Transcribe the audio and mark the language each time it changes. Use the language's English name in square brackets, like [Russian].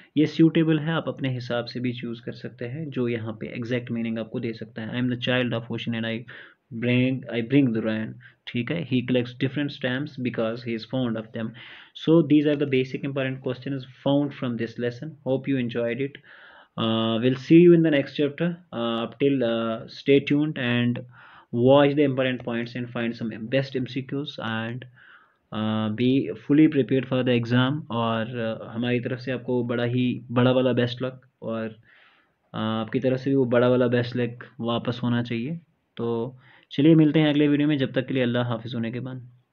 [Hindi] ये सूटेबल है, आप अपने हिसाब से भी चूज कर सकते हैं जो यहाँ पे [English] exact meaning [Hindi] आपको दे सकता है. [English] I am the child of ocean and I bring the rain. [Hindi] ठीक है, [English] He collects different stamps because he is found of them. So these are the basic important question is found from this lesson. Hope you enjoyed it. We'll see you in the next chapter. Up till stay tuned and watch the important points and find some best MCQs and be fully prepared for the exam. [Hindi] और हमारी तरफ से आपको बड़ा ही बड़ा वाला [English] best luck [Hindi] और आपकी तरफ से भी वो बड़ा वाला best luck वापस होना चाहिए. तो चलिए मिलते हैं अगले वीडियो में, जब तक के लिए अल्लाह हाफिज़ होने के बाद.